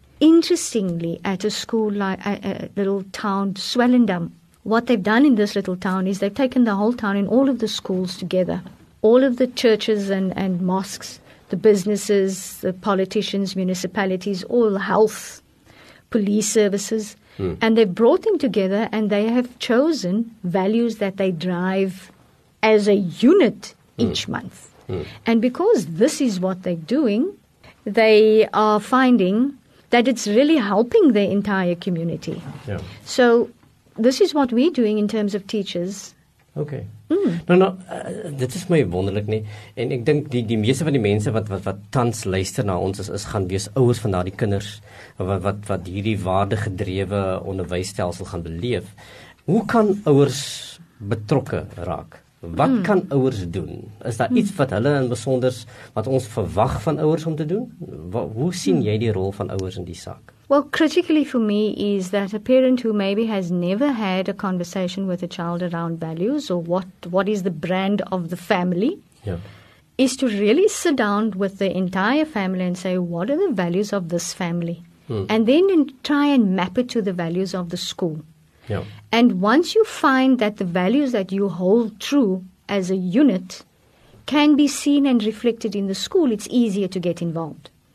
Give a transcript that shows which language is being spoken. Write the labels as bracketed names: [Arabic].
[English] Interestingly, at a school like a little town, Swellendam, what they've done in this little town is they've taken the whole town and all of the schools together, all of the churches and mosques, the businesses, the politicians, municipalities, all health, police services, and they've brought them together and they have chosen values that they drive as a unit each month. And because this is what they're doing, they are finding that it's really helping the entire community. Yeah. So this is what we're doing in terms of teachers. [Afrikaans] Okay. Nou, dit is my wonderlik nie. En ek dink die meeste van die mense wat tans luister na ons is gaan wees ouers van daardie kinders wat hierdie waardegedrewe onderwysstelsel gaan beleef. Hoe kan ouers betrokke raak? Wat kan ouers doen? Is daar iets wat hulle in besonder wat ons verwag van ouers om te doen? Hoe sien jy die rol van ouers in die saak? [English] Well, critically for me is that a parent who maybe has never had a conversation with a child around values or what is the brand of the family, is to really sit down with the entire family and say, what are the values of this family? And then try and map it to the values of the school. And once you find that the values that you hold true as a unit can be seen and reflected in the school, it's easier to get involved.